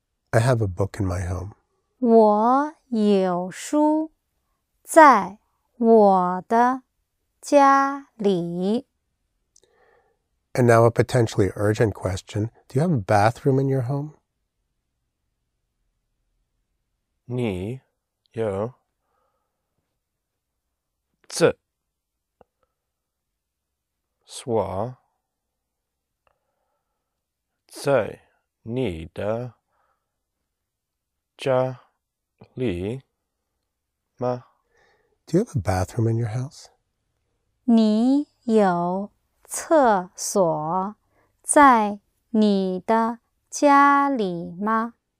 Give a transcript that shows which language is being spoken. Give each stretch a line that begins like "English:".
English: I have a book in my home.
Chinese: 我有书在我的家里。
English: And now a potentially urgent question. Do you have a bathroom in your home?
Chinese: 你有厕所在你的家里吗?
English: Do you have a bathroom in your house?
Chinese: 你有厕所在你的家里吗?